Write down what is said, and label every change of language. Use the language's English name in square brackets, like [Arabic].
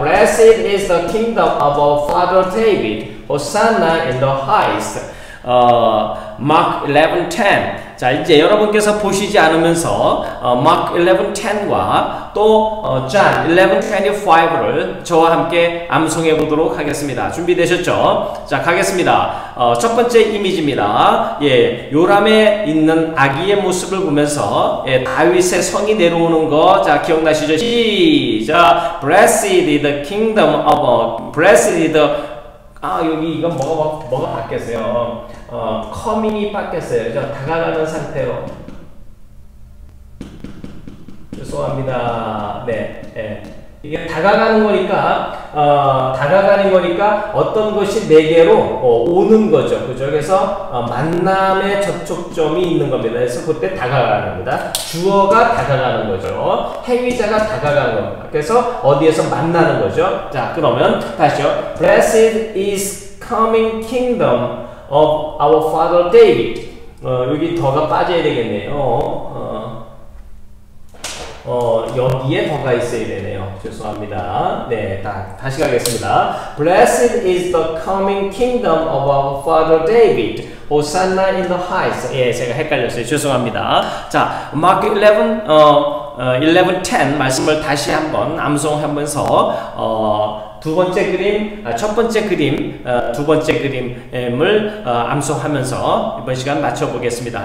[English] Blessed is the kingdom of our father David. Hosanna in the highest. Mark 11:10. [Korean] 자, 이제 여러분께서 보시지 않으면서 Mark 11:10과 또 John 11:25를 저와 함께 암송해 보도록 하겠습니다. 준비되셨죠? 자, 가겠습니다. 첫 번째 이미지입니다. 예, 요람에 있는 아기의 모습을 보면서 예, 다윗의 성이 내려오는 거 자, 기억나시죠? [English] 시작. Blessed is the kingdom of blessed is the [Korean] 여기 이건 뭐가 바뀌었어요. 커밍이 바뀌었어요. 그죠? 다가가는 상태로. 죄송합니다. 네. 네. 이게 다가가는 거니까, 다가가는 거니까 어떤 것이 내게로 오는 거죠. 그죠? 그래서 만남의 접촉점이 있는 겁니다. 그래서 그때 다가가는 겁니다. 주어가 다가가는 거죠. 행위자가 다가가는 겁니다. 그래서 어디에서 만나는 거죠. 자, 그러면 다시요. [English] Blessed is coming kingdom of our father David. [Korean] 여기 더가 빠져야 되겠네요. 여기에 더가 있어야 되네요. 죄송합니다. 네, 다시 가겠습니다. [English] Blessed is the coming kingdom of our father David. Hosanna in the highest. [Korean] 예, 제가 헷갈렸어요. 죄송합니다. 자, Mark 11:10 말씀을 다시 한번 암송하면서 두 번째 그림, 첫 번째 그림, 두 번째 그림을 암송하면서 이번 시간 마쳐보겠습니다.